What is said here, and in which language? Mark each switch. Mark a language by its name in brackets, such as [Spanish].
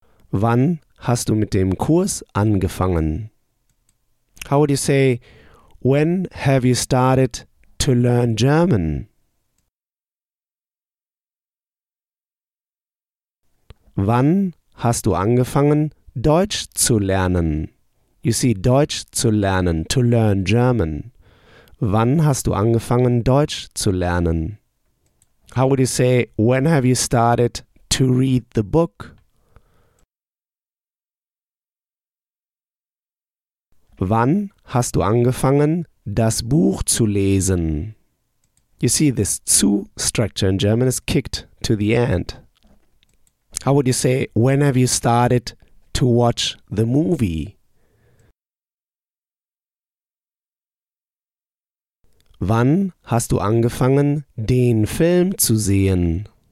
[German] Wann hast du mit dem Kurs angefangen? [English] How would you say, when have you started to learn German? [German] Wann hast du angefangen, Deutsch zu lernen? [English] You see, [German] Deutsch zu lernen, [English] to learn German. [German] Wann hast du angefangen, Deutsch zu lernen? [English] How would you say, when have you started to read the book? [German] Wann hast du angefangen, das Buch zu lesen? [English] You see, this zu structure in German is kicked to the end. How would you say, when have you started to watch the movie? [German] Wann hast du angefangen, den Film zu sehen?